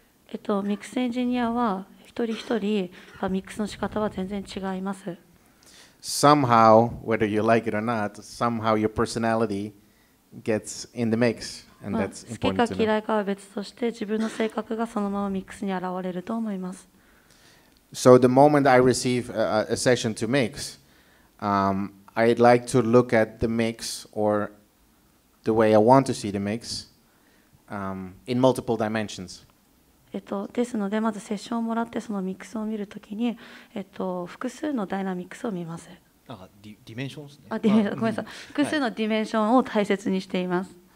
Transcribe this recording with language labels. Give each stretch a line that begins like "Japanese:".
Japanese: ミックスエンジニアは一人一人ミックスの仕方は全然違います。
English: Somehow, whether you like it or not, somehow your personality gets in the mix, and that's important to know.
Japanese: 好きか嫌いかは別として、自分の性格がそのままミックスに現れると思います。
English: So the moment I receive a session to mix, I'd like to look at the mix or the way I want to see the mix, in multiple dimensions.
Japanese: ですので、まずセッションをもらってそのミックスを見るときに、複数のダイナミックスを見ます。ディメンションですね。ごめんなさい。複数のディメンションを大切にしています。